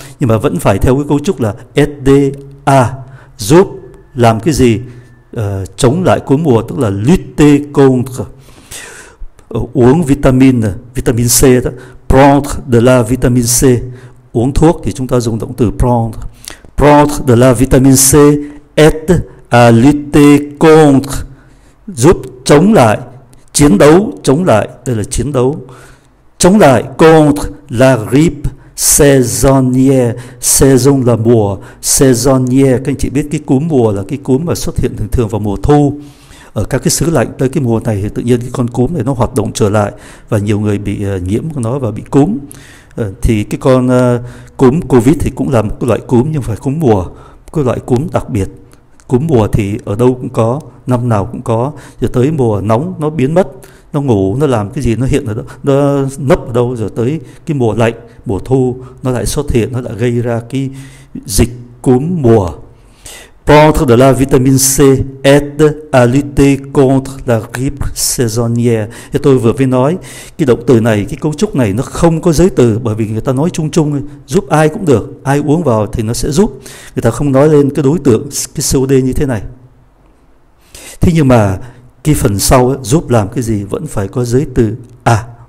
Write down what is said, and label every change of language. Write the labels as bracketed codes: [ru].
[vi] Nhưng mà vẫn phải theo cái cấu trúc là SDA, giúp làm cái gì? Chống lại cúm mùa, tức là [fr] lutter contre. [vi] Uống vitamin, vitamin C đó. [fr] Prendre de la vitamin C. [vi] Uống thuốc thì chúng ta dùng động từ prendre. [fr] Prendre de la vitamine C est à lutter contre. [vi] Giúp chống lại, chiến đấu, chống lại, đây là chiến đấu. Chống lại [fr] contre la grippe saisonnière. [vi] Saison là mùa, saisonnière, các anh chị biết cái cúm mùa là cái cúm mà xuất hiện thường thường vào mùa thu. Ở các cái xứ lạnh tới cái mùa này thì tự nhiên cái con cúm này nó hoạt động trở lại và nhiều người bị nhiễm nó và bị cúm. Thì cái con cúm COVID thì cũng là một cái loại cúm, nhưng phải cúm mùa, cái loại cúm đặc biệt. Cúm mùa thì ở đâu cũng có, năm nào cũng có, rồi tới mùa nóng nó biến mất, nó ngủ, nó làm cái gì, nó hiện ở đâu, nó nấp ở đâu, rồi tới cái mùa lạnh, mùa thu nó lại xuất hiện, nó lại gây ra cái dịch cúm mùa. [fr] Prendre de la vitamine C aide à lutter contre la grippe saisonnière. [vi] Thì tôi vừa mới nói, cái động từ này, cái cấu trúc này nó không có giới từ, bởi vì người ta nói chung chung, giúp ai cũng được, ai uống vào thì nó sẽ giúp. Người ta không nói lên cái đối tượng, cái COD như thế này. Thế nhưng mà cái phần sau ấy, giúp làm cái gì vẫn phải có giới từ à.